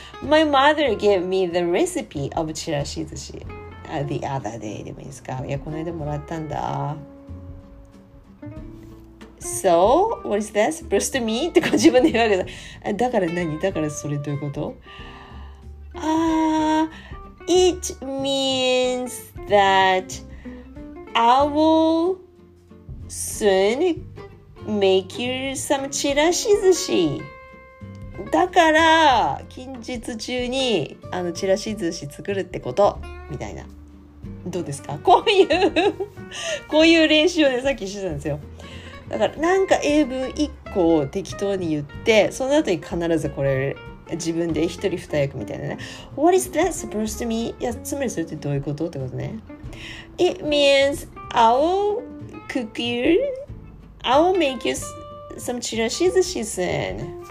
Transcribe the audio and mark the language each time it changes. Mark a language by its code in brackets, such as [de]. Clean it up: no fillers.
[en] My mother gave me the recipe of チラシ寿司the other day [ja] でもいいですか。いや、この間もらったんだ。 [en] So what is that supposed to mean? [ja] って自分で言うわけだ。だから何、だからそれどういうこと。 [en] It means that I will soon make you some チラシ寿司。 [ja] だから近日中にあのチラシ寿司作るってことみたいな。どうですか、こういうこういう練習をね、さっきしてたんですよ。だからなんか英文1個を適当に言って、その後に必ずこれ自分で一人二役みたいなね。 [en] What is that supposed to mean? [ja] いや、つまりそれってどういうことってことね。 [en] It means I will cook you, I will make you some チラシ寿司 soon.